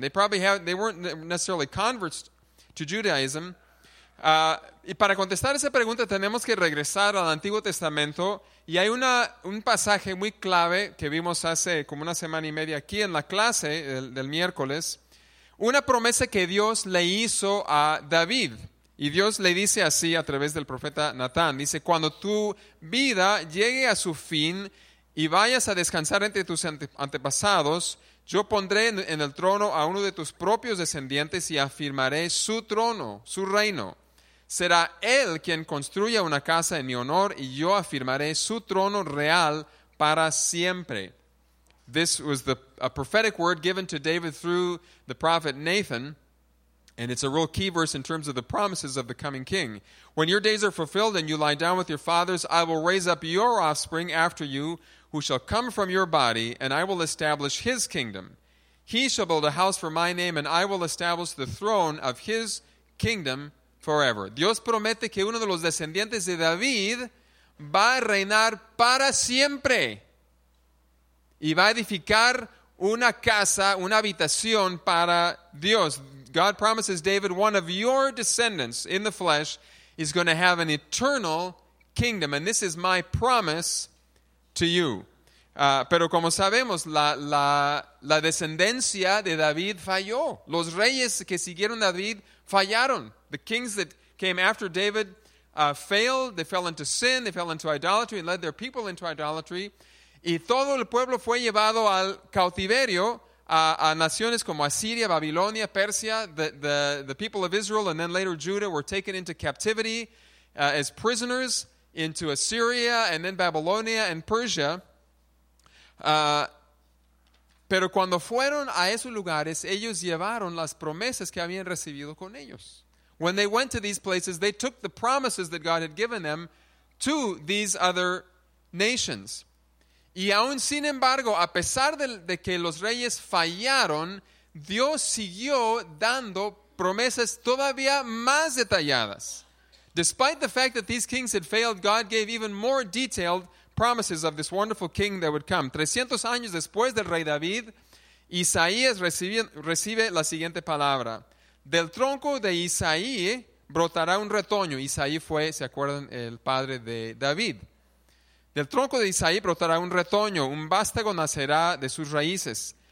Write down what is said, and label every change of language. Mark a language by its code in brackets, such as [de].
[en] They weren't necessarily converts to Judaism. [es] Y para contestar esa pregunta tenemos que regresar al Antiguo Testamento, y hay un pasaje muy clave que vimos hace como una semana y media aquí en la clase del miércoles. Una promesa que Dios le hizo a David. Y Dios le dice así a través del profeta Natán. Dice, cuando tu vida llegue a su fin y vayas a descansar entre tus antepasados, yo pondré en el trono a uno de tus propios descendientes y afirmaré su trono, su reino. Será él quien construya una casa en mi honor y yo afirmaré su trono real para siempre. [en] This was a prophetic word given to David through the prophet Nathan, and it's a real key verse in terms of the promises of the coming king. When your days are fulfilled and you lie down with your fathers, I will raise up your offspring after you, who shall come from your body, and I will establish his kingdom. He shall build a house for my name, and I will establish the throne of his kingdom forever. [es] Dios promete que uno de los descendientes de David va a reinar para siempre. Y va a edificar una casa, una habitación para Dios. [en] God promises David, one of your descendants in the flesh is going to have an eternal kingdom. And this is my promise to you. [es] Pero como sabemos, la descendencia de David falló. Los reyes que siguieron a David fallaron. [en] The kings that came after David failed. They fell into sin. They fell into idolatry and led their people into idolatry. [es] Y todo el pueblo fue llevado al cautiverio a naciones como Asiria, Babilonia, Persia. [en] The people of Israel and then later Judah were taken into captivity as prisoners into Assyria and then Babylonia and Persia. [es] Pero cuando fueron a esos lugares, ellos llevaron las promesas que habían recibido con ellos. [en] When they went to these places, they took the promises that God had given them to these other nations. [es] Y aún sin embargo, a pesar de que los reyes fallaron, Dios siguió dando promesas todavía más detalladas. [en] Despite the fact that these kings had failed, God gave even more detailed promises of this wonderful king that would come. [es] 300 años después del rey David, Isaías recibe la siguiente palabra. Del tronco de Isaí brotará un retoño. Isaí fue, ¿se acuerdan?, el padre de David. Del tronco de Isaí brotará un retoño, un vástago nacerá de sus raíces.